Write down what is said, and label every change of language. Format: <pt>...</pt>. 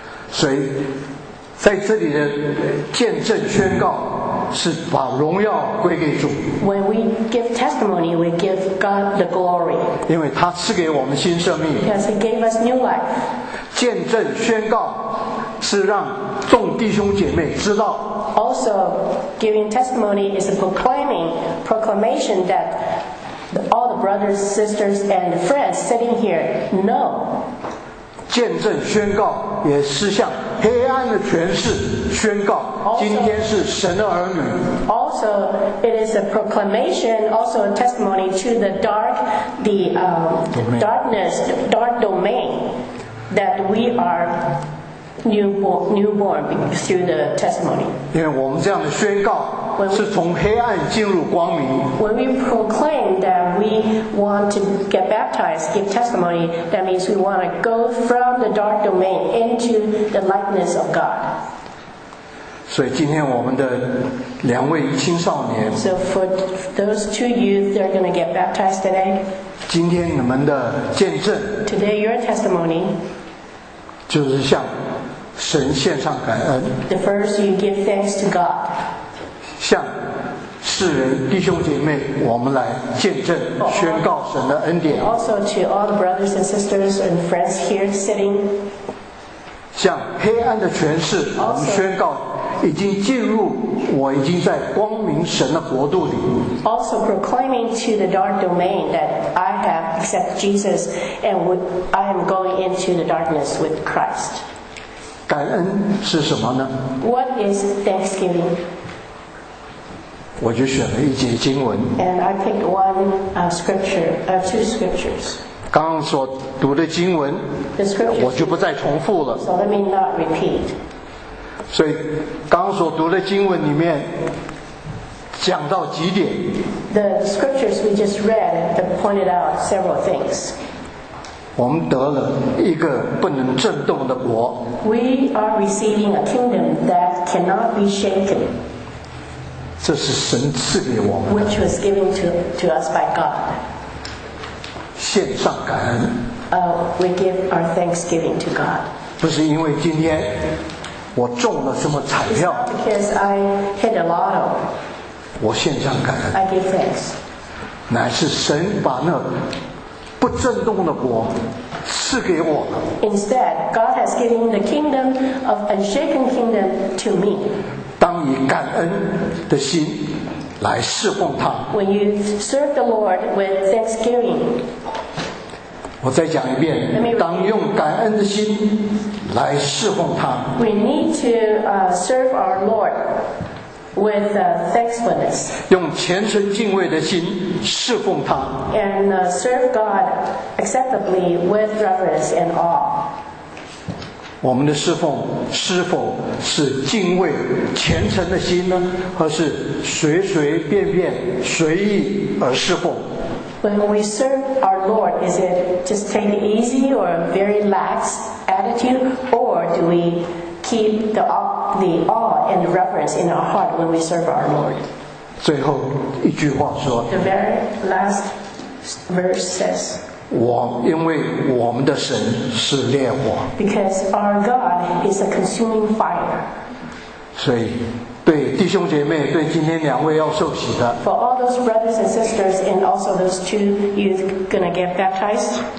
<zh>谁在这里的见证宣告是把荣耀归给主。</zh> <en>When we give testimony, we give God the glory.</en> <zh>因为他赐给我们新生命。</zh> <en>Because He gave us new life.</en> <zh>见证宣告是让众弟兄姐妹知道。</zh> <en>Also, giving testimony is a proclamation that all the brothers, sisters, and friends sitting here know.</en> <zh>见证宣告也是向黑暗的权势宣告今天是神的儿女。</zh> <en>Also, it is a proclamation, also a testimony to the dark, the darkness, dark domain that we are newborn through the testimony.</en> <zh>因为我们这样的宣告是从黑暗进入光明。</zh> <en>When we proclaim that we want to get baptized, give testimony, that means we want to go from the dark domain into the likeness of God.</en> <zh>所以今天我们的两位青少年</zh> <en>So for those two youth, they're going to get baptized today.</en> <zh>今天你们的见证</zh> <en>Today your testimony</en> <zh>就是向神献上感恩</zh> <en>The first you give thanks to God.</en> <zh>向世人弟兄姐妹我们来见证宣告神的恩典</zh> <en>also to all the brothers and sisters and friends here sitting</en> <zh>向黑暗的权势我们宣告已经进入我已经在光明神的国度里</zh> <en>also proclaiming to the dark domain that I have accepted Jesus and I am going into the darkness with Christ</en> <zh>感恩是什么呢</zh> <en>what is thanksgiving?</en> <zh>我就选了一节经文</zh> <en>And I picked one scripture two scriptures</en> <zh>刚刚所读的经文</zh> <en>The scriptures</en> <zh>我就不再重复了</zh> <en>So let me not repeat</en> <zh>所以刚所读的经文里面讲到几点</zh> <en>The scriptures we just read have pointed out several things</en> <zh>我们得了一个不能震动的国</zh> <en>We are receiving a kingdom that cannot be shaken</en> <zh>这是神赐给我们的</zh> <en>which was given to us by God</en> <zh>献上感恩</zh> <en>we give our thanksgiving to God</en> <zh>不是因为今天我中了什么彩票</zh> <en>it's not because I hit a lotto</en> <zh>我献上感恩</zh> <en>I give thanks</en> <zh>乃是神把那不震动的国赐给我们</zh> <en>instead God has given the kingdom of unshaken kingdom to me</en> <zh>当以感恩的心来侍奉他</zh> <en>When you serve the Lord with thanksgiving</en> <zh>我再讲一遍当用感恩的心来侍奉他</zh> <en>We need to serve our Lord with thankfulness</en> <zh>用虔诚敬畏的心侍奉他</zh> <en>And serve God acceptably with reverence and awe</en> <zh>我们的侍奉是否是敬畏虔诚的心呢还是随随便便随意而侍奉</zh> <en>When we serve our Lord is it just take an easy or a very lax attitude or do we keep the awe and reverence in our heart when we serve our Lord</en> <zh>最后一句话说</zh> <en>The very last verse says</en> <zh>因为我们的神是烈火</zh> <en>Because our God is a consuming fire</en> <zh>所以对弟兄姐妹对今天两位要受洗的</zh> <en>For all those brothers and sisters and also those two youth gonna get baptized</en>